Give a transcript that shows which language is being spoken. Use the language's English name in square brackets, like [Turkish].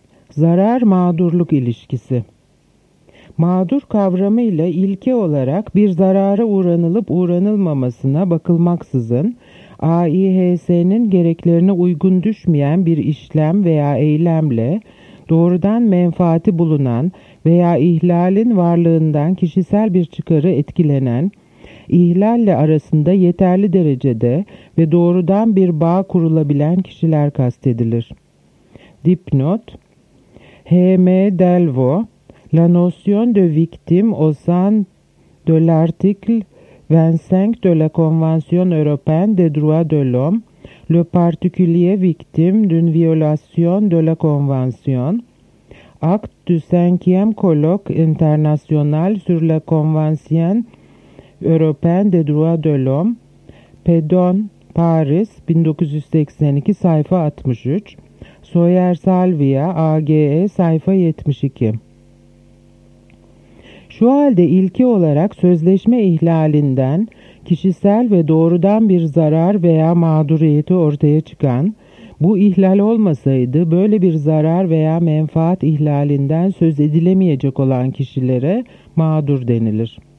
[Turkish] Zarar mağdurluk ilişkisi. Mağdur kavramıyla ilke olarak bir zarara uğranılıp uğranılmamasına bakılmaksızın AİHS'nin gereklerine uygun düşmeyen bir işlem veya eylemle doğrudan menfaati bulunan veya ihlalin varlığından kişisel bir çıkarı etkilenen, ihlalle arasında yeterli derecede ve doğrudan bir bağ kurulabilen kişiler kastedilir. Dipnot H.M. [French] Delvo, La notion de victime au sein de l'article 25 de la Convention européenne des droits de l'homme, le particulier victime d'une violation de la Convention, acte du 5e colloque international sur la Convention européenne des droits de l'homme, Pédon, Paris, 1982, sayfa 63, Soyer Salvia, AGE, sayfa 72. [Turkish] Şu halde ilki olarak sözleşme ihlalinden kişisel ve doğrudan bir zarar veya mağduriyeti ortaya çıkan, bu ihlal olmasaydı böyle bir zarar veya menfaat ihlalinden söz edilemeyecek olan kişilere mağdur denilir.